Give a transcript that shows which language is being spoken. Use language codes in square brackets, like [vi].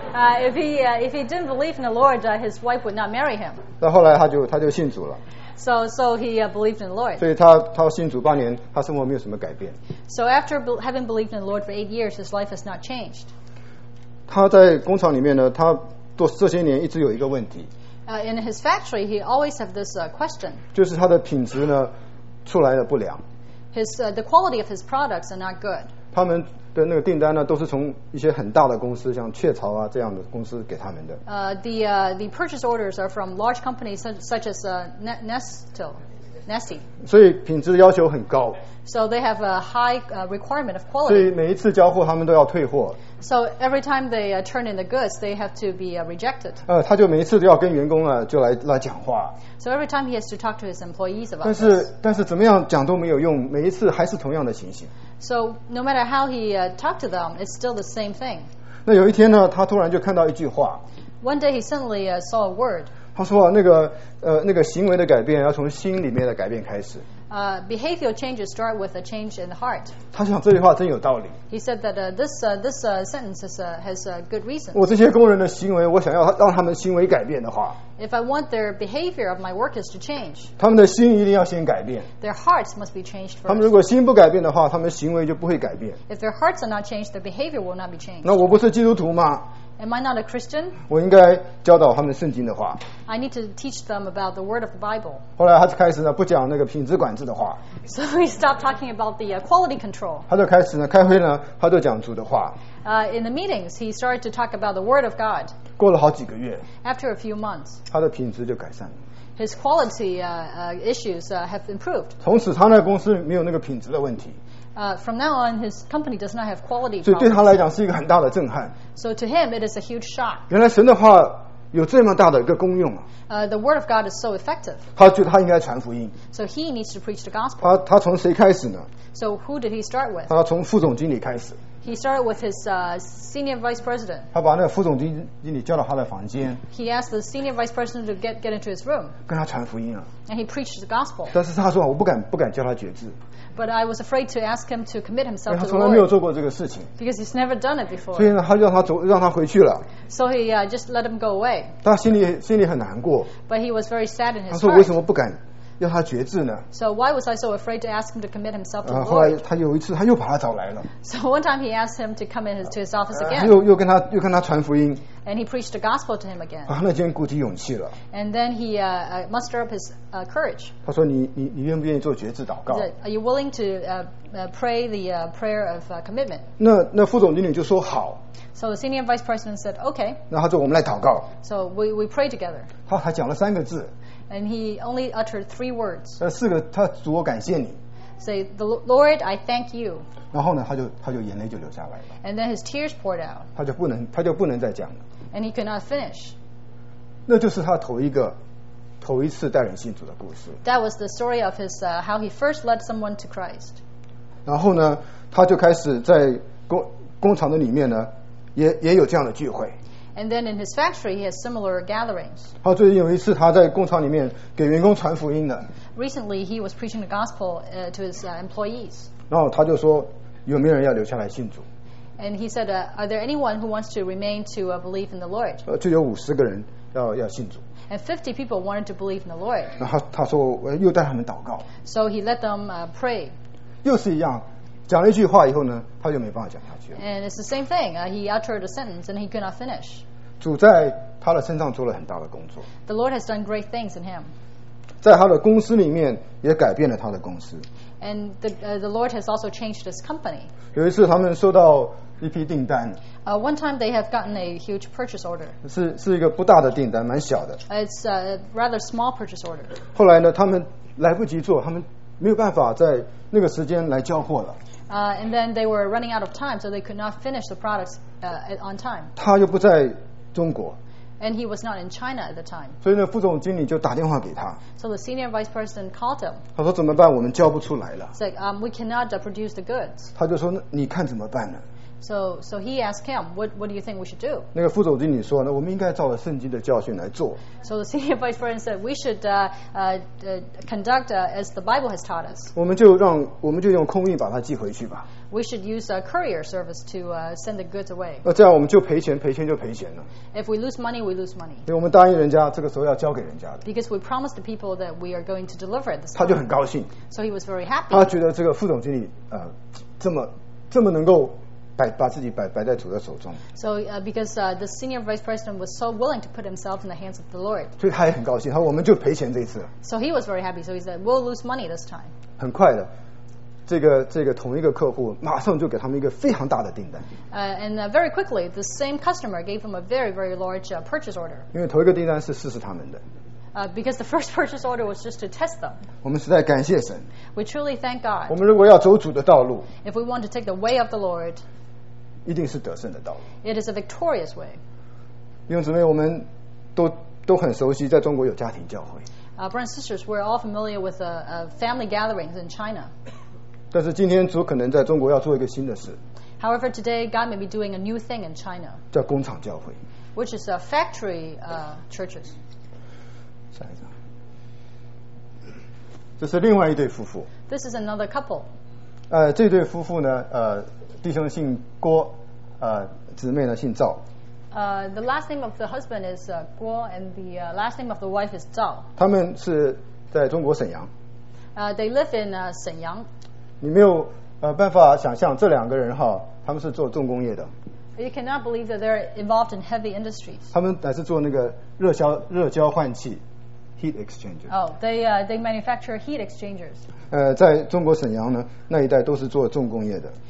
[en] If he didn't believe in the Lord, his wife would not marry him. [zh] 那后来他就信主了。 [en] So he believed in the Lord. [zh] 所以他信主八年，他生活没有什么改变。 [en] So after having believed in the Lord for 8 years, his life has not changed. [zh] 他在工厂里面呢，他做这些年一直有一个问题。 [en] In his factory, he always have this question. [zh] 就是他的品质呢，出来的不良。 [en] The quality of his products are not good. [zh] 他们的那个订单呢，都是从一些很大的公司，像雀巢啊这样的公司给他们的。 [en] The purchase orders are from large companies such as Nestle. [zh] 所以品质要求很高。 [en] So they have a high requirement of quality. [zh] 所以每一次交货，他们都要退货。 [en] So every time they turn in the goods, they have to be rejected. [zh] 他就每一次都要跟员工啊，就来讲话。 [en] So every time he has to talk to his employees about. [zh] 但是怎么样讲都没有用，每一次还是同样的情形。 [en] So no matter how he talked to them, it's still the same thing. [zh] 那有一天呢，他突然就看到一句话。 [en] One day he suddenly saw a word. [zh] 他说、啊、那个行为的改变要从心里面的改变开始。 [en] Behavioral changes start with a change in the heart. [zh] 他想这句话真有道理。 [en] He said that this sentence has a good reason. [zh] 我这些工人的行为，我想要让他们行为改变的话。 [en] If I want their behavior of my workers to change. [zh] 他们的心一定要先改变。 [en] Their hearts must be changed first. [zh] 他们如果心不改变的话，他们行为就不会改变。 [en] If their hearts are not changed, their behavior will not be changed. [zh] 那我不是基督徒吗？ [en] Am I not a Christian? [zh] 我应该教导他们圣经的话。 [en] I need to teach them about the word of the Bible. [zh] 后来他就开始呢不讲那个品质管制的话。 [en] So he stopped talking about the quality control. [zh] 他就开始呢开会呢他就讲主的话。 [en] In the meetings, he started to talk about the word of God. [zh] 过了好几个月, [en] After a few months, [zh] 他的品质就改善了。 [en] His quality issues have improved. [zh] 从此他那公司没有那个品质的问题。 [en] From now on, his company does not have quality problems. [zh] 所以对他来讲是一个很大的震撼。 [en] So to him, it is a huge shock. [zh] 原来神的话有这么大的一个功用啊！ [en] The word of God is so effective. [zh] 他觉得他应该传福音。 [en] So he needs to preach the gospel. [zh] 他从谁开始呢 [en] ？So who did he start with? [zh] 他从副总经理开始。 [en] He started with his senior vice president. [zh] 他把那个副总经理叫到他的房间。 [en] He asked the senior vice president to get into his room. [zh] 跟他传福音啊。 [en] And he preached the gospel. [zh] 但是他说我不敢叫他决志。 [en] But I was afraid to ask him to commit himself to the Lord. [zh] 因为他从来没有做过这个事情。 [en] Because he's never done it before. [zh] 所以呢，他让他回去了。 [en] So he just let him go away. [zh] 他心里很难过。 [en] But he was very sad in his heart. [zh] 他说为什么不敢要他决志呢 [en] ？So why was I so afraid to ask him to commit himself to the Lord？ [zh] 后来他有一次他又把他找来了。 [en] So one time he asked him to come into his office again。 [zh] 又跟他传福音。 [en] And he preached the gospel to him again。 [zh] 啊，那间鼓起勇气了。 [en] And then he mustered up his courage。 [zh] 他说你愿不愿意做决志祷告 [en] ？Are you willing to pray the prayer of commitment？ [zh] 那副总经理就说好。 [en] So the senior vice president said okay。 [zh] 那他说我们来祷告。 [en] So we pray together。 [zh] 他还讲了三个字。 [en] And he only uttered three words. [zh] 四个，他主我感谢你。 [en] Say the Lord, I thank you. [zh] 然后呢，他就眼泪就流下来了。 [en] And then his tears poured out. [zh] 他就不能再讲了。 [en] And he could not finish. [zh] 那就是他头一次带人信主的故事。 [en] That was the story of his how he first led someone to Christ. [zh] 然后呢，他就开始在工厂的里面呢，也有这样的聚会。 [en] And then in his factory, he has similar gatherings. [zh] 他最近有一次，他在工厂里面给员工传福音的。 [en] Recently, he was preaching the gospel to his employees. [zh] 然后他就说，有没有人要留下来信主 [en] ？And he said, "Are there anyone who wants to remain to believe in the Lord?" [zh] 就有50个人要信主。 [en] And 50 people wanted to believe in the Lord. [zh] 然后他说，又带他们祷告。 [en] So he let them pray. [zh] 又是一样。讲了一句话以后呢，他就没办法讲下去了。 [en] And it's the same thing. He uttered a sentence and he could not finish. [zh] 主在他的身上做了很大的工作。 [en] The Lord has done great things in him. [zh] 在他的公司里面也改变了他的公司。 [en] And the Lord has also changed his company. [zh] 有一次他们收到一批订单。 [en] One time they have gotten a huge purchase order. [zh] 是一个不大的订单，蛮小的。 [en] It's a rather small purchase order. [zh] 后来呢，他们来不及做，他们没有办法在那个时间来交货了。 [en] And then they were running out of time, so they could not finish the products on time. [zh] 他又不在中国。 [en] And he was not in China at the time. [zh] 所以呢，副总经理就打电话给他。 [en] So the senior vice president called him. [zh] 他说怎么办？我们交不出来了。 [en] Said, "We cannot produce the goods." [zh] 他就说，你看怎么办呢 [en] ？So he asked him, "What do you think we should do?" [zh] 那个副总经理说，那我们应该照着圣经的教训来做。 [en] So the senior vice president said, "We should conduct as the Bible has taught us." [zh] 我们就用空运把它寄回去吧。 [en] We should use a courier service to send the goods away. [zh] 那这样我们就赔钱，赔钱就赔钱了。 [en] If we lose money, we lose money. [zh] 因为我们答应人家，这个时候要交给人家的。 [en] Because we promised the people that we are going to deliver it. [zh] 他就很高兴。 [en] So he was very happy. [zh] 他觉得这个副总经理这么能够把自己摆在主的手中。 [en] So because the senior vice president was so willing to put himself in the hands of the Lord. [zh] 所以他也很高兴，他说我们就赔钱这一次。 [en] So he was very happy. So he said, "We'll lose money this time." [zh] 很快的。这个同一个客户马上就给他们一个非常大的订单。 [en] And very quickly, the same customer gave him a very, very large purchase order. [zh] 因为头一个订单是试试他们的。 [en] Because the first purchase order was just to test them. [zh] 我们实在感谢神。 [en] We truly thank God. [zh] 我们如果要走主的道路 [en] ，If we want to take the way of the Lord, [zh] 一定是得胜的道路。 [en] It is a victorious way. [zh] 弟兄姊妹，我们都很熟悉，在中国有家庭教会。 [en] Brothers and sisters, we're all familiar with family gatherings in China. [zh] 但是今天主可能在中国要做一个新的事。 [en] However, today God may be doing a new thing in China. [zh] 叫工厂教会。 [en] Which is a factory churches. [zh] 下一张。这是另外一对夫妇。 [en] This is another couple. [zh] 这对夫妇呢，弟兄姓郭，姊妹呢姓赵。 [en] The last name of the husband is Guo, and the last name of the wife is Zhao. [zh] 他们是在中国沈阳。 [en] They live in 沈阳。 [zh] 你没有办法想象这两个人哈，他们是做重工业的。 [en] You cannot believe that they're involved in heavy industries. [zh] 他们乃是做那个热交换器。 [en] heat exchangers. Oh, they manufacture heat exchangers. [zh] 在中国沈阳呢，那一带都是做重工业的。